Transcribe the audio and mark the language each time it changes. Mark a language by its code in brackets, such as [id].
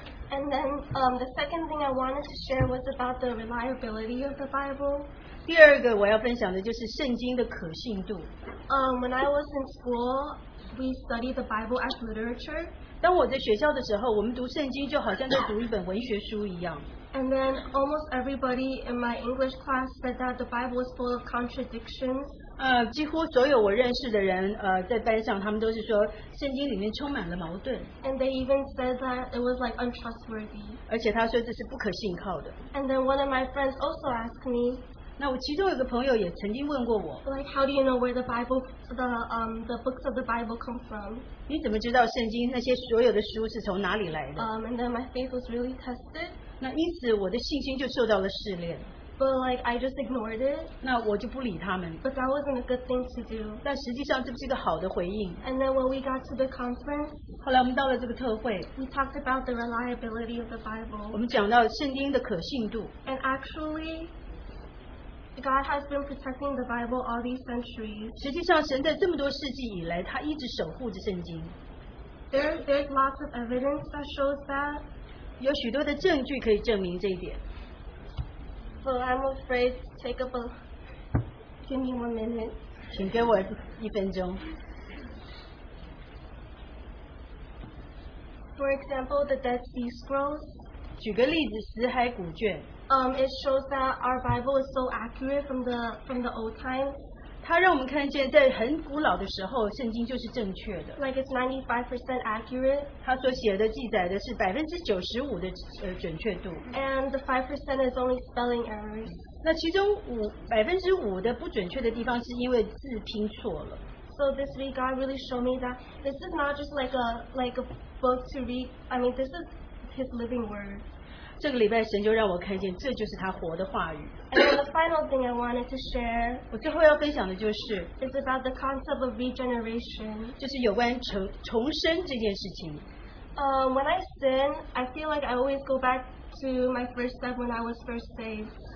[en] And then the second thing I wanted to share was about the reliability of the Bible. [zh] 第二个我要分享的就是圣经的可信度。 [en] When I was in school, we studied the Bible as literature. [zh] 当我在学校的时候，我们读圣经就好像在读一本文学书一样。 [en] And then almost everybody in my English class said that the Bible is full of contradictions. [zh] 几乎所有我认识的人，在班上，他们都是说圣经里面充满了矛盾。 [en] And they even said that it was like untrustworthy. [zh] 而且他说这是不可信靠的。 [en] And then one of my friends also asked me. [zh] 那我其中有个朋友也曾经问过我, [en] like, how do you know where the Bible, the books of the Bible come from? [zh] 你怎么知道圣经那些所有的书是从哪里来的? [en] And then my faith was really tested. [zh] 那因此我的信心就受到了试炼。 [en] But like I just ignored it. [zh] 那我就不理他们。 [en] But that wasn't a good thing to do. [zh] 但实际上这不是一个好的回应。 [en] And then when we got to the conference, [zh] 后来我们到了这个特会, [en] we talked about the reliability of the Bible. [zh] 我们讲到圣经的可信度。 [en] And actually, God has been protecting the Bible all these centuries. [zh] 实际上神在这么多世纪以来，他一直守护着圣经。 [en] There's lots of evidence that shows that. [zh] 有许多的证据可以证明这一点。 [en] So I'm afraid to take up a... Give me 1 minute. [zh] 请给我1分钟。 [en] For example, the Dead Sea Scrolls. [zh] 举个例子，死海古卷。 [en] It shows that our Bible is so accurate from the old times. [zh] 它让我们看见，在很古老的时候，圣经就是正确的。 [en] Like it's 95% accurate. [zh] 它所写的记载的是95%的准确度。 [en] And the 5% is only spelling errors. [zh] 那其中5%的不准确的地方是因为字拼错了。 [en] So this week God really showed me that this is not just like a book to read. I mean, this is His living word. [zh] 这个礼拜神就让我看见，这就是他活的话语。 [en] And then the final thing I wanted to share, [zh] 我最后要分享的就是, [en] is about the concept of regeneration. [zh] 就是有关重生这件事情。 [en] When I sin, I feel like I always go back to my first step when I was first saved.